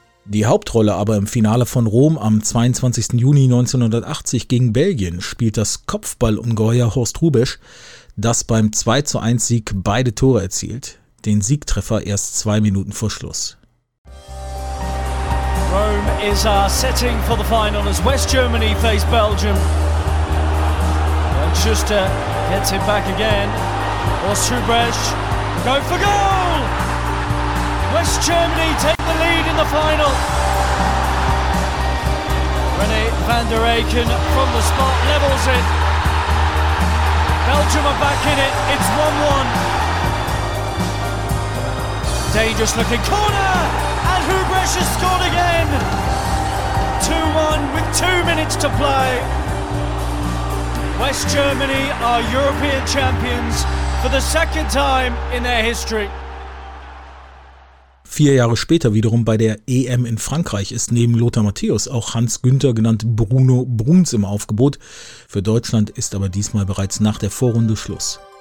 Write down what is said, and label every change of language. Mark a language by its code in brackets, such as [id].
[de] Die Hauptrolle aber im Finale von Rom am 22. Juni 1980 gegen Belgien spielt das Kopfballungeheuer Horst Hrubesch, das beim 2:1-Sieg beide Tore erzielt, den Siegtreffer erst 2 Minuten vor Schluss. [en] Rome is our setting for the final as West Germany face Belgium. Schuster gets it back again. Horst Hrubesch, go for goal! West Germany take the lead in the final. René van der Aken from the spot levels it. Belgium are back in it. It's 1-1. Dangerous looking corner. And Hrubesch has scored again. 2-1 with 2 minutes to play. West Germany are European champions for the second time in their history. [de] 4 Jahre später wiederum bei der EM in Frankreich ist neben Lothar Matthäus auch Hans Günther, genannt Bruno Bruns, im Aufgebot. Für Deutschland ist aber diesmal bereits nach der Vorrunde Schluss.